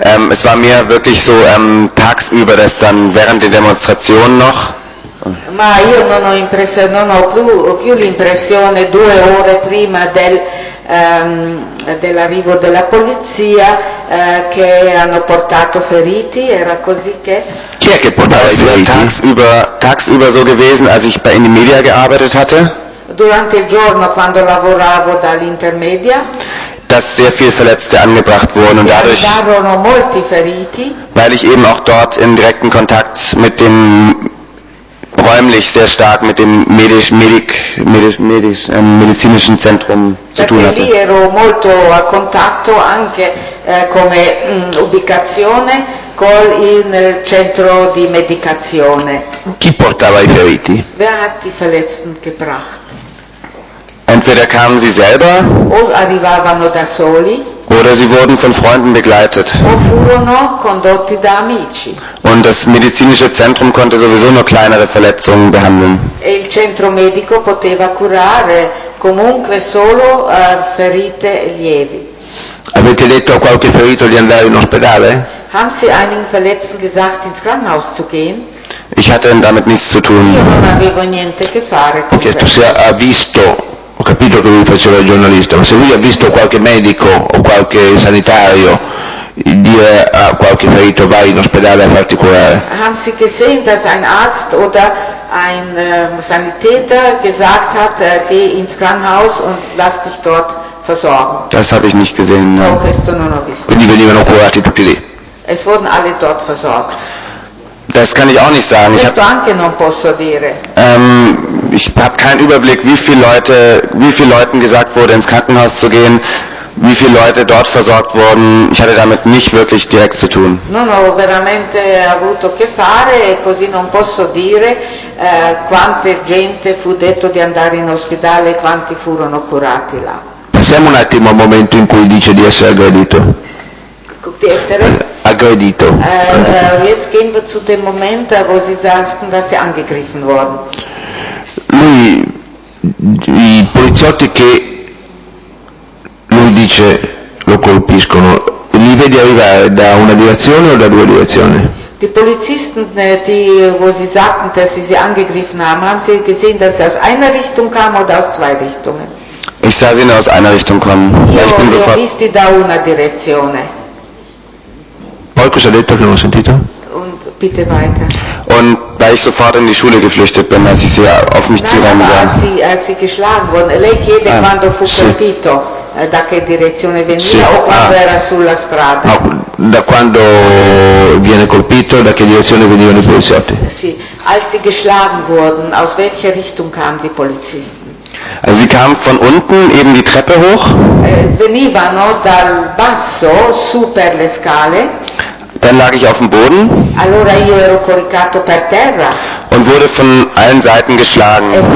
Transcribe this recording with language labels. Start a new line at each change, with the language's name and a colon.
German: Es war mir wirklich so tagsüber, dass dann während der Demonstration noch.
Italian: Ma io non ho impressione, non ho più l'impressione due ore prima dell'arrivo della polizia che hanno portato feriti, era così che. Chi è che portava i feriti?
German: Tagsüber so gewesen, als ich bei Intermedia gearbeitet hatte.
Italian: Durante il giorno, quando lavoravo dall'Intermedia.
German: Dass sehr viele Verletzte angebracht wurden und dadurch.
Italian: Erano molti feriti.
German: Weil ich eben auch dort in direkten Kontakt mit dem räumlich sehr stark mit dem medizinischen Zentrum zu tun hatte.
Italian: Perché lì ero molto a contatto anche come ubicazione col il centro di medicazione. Chi portava i feriti?
German: Wer hat die Verletzten gebracht? Entweder kamen sie selber.
Italian: O arrivavano da soli.
German: Oder sie wurden von Freunden begleitet.
Italian: O furono condotti da amici.
German: Und das medizinische Zentrum konnte sowieso nur kleinere Verletzungen behandeln.
Italian: E il centro medico poteva curare comunque solo ferite lievi. Avete detto a qualche ferito di andare in ospedale?
German: Haben Sie einigen Verletzten gesagt, ins Krankenhaus zu gehen? Ich hatte damit nichts zu tun.
Italian: Io non avevo niente che fare. Ho chiesto se ha visto. Ho capito che lui faceva il giornalista, ma se lui ha visto qualche medico o qualche sanitario dire a qualche ferito vai in ospedale a farti curare.
German: Haben Sie gesehen, dass ein Arzt oder ein Sanitäter gesagt hat, geh ins Krankenhaus und lass dich dort versorgen? Das habe ich nicht gesehen, no.
Italian: Non questo non ho visto. Quindi venivano curati tutti lì.
German: Es wurden alle dort versorgt. Das kann ich auch nicht sagen.
Italian: Questo anche non posso dire.
German: Ich habe keinen Überblick, wie viele Leuten gesagt wurde, ins Krankenhaus zu gehen, wie viele Leute dort versorgt wurden. Ich hatte damit nicht wirklich direkt zu tun.
Italian: Non ho veramente avuto che fare e così non posso dire quante gente fu detto di andare in ospedale e quanti furono curati là. Passiamo un attimo al momento in cui dice di essere aggredito. Di essere aggredito.
German: Jetzt gehen wir zu dem Moment, wo sie sagten, dass sie angegriffen wurden.
Italian: Lui, i poliziotti che lui dice lo colpiscono, li vede arrivare da una direzione o da due direzioni?
German: Die Polizisten, wo sie sagten, dass sie sie angegriffen haben, haben sie gesehen, dass sie aus einer Richtung kamen oder aus zwei Richtungen? Ich sah sie nur aus einer Richtung kommen.
Italian: Io,
German: ich bin sie sofort.
Italian: Ho visti da una direzione. Poi cosa ha detto che non ho sentito?
German: Und bitte weiter. Und weil ich sofort in die Schule geflüchtet bin, als ich sie auf mich zurennen sah. Als sie geschlagen wurden,
Italian: lei chiede quando fu colpito, da che direzione veniva o quando era sulla strada. No, da quando viene colpito, da che direzione venivano i poliziotti.
German: Sì, als sie geschlagen wurden, aus welcher Richtung kamen die Polizisten? Sie kam von unten eben die Treppe hoch.
Italian: Venivano dal basso su per le scale.
German: Dann lag ich auf dem Boden.
Italian: Allora io ero coricato per terra.
German: Und wurde von allen Seiten geschlagen.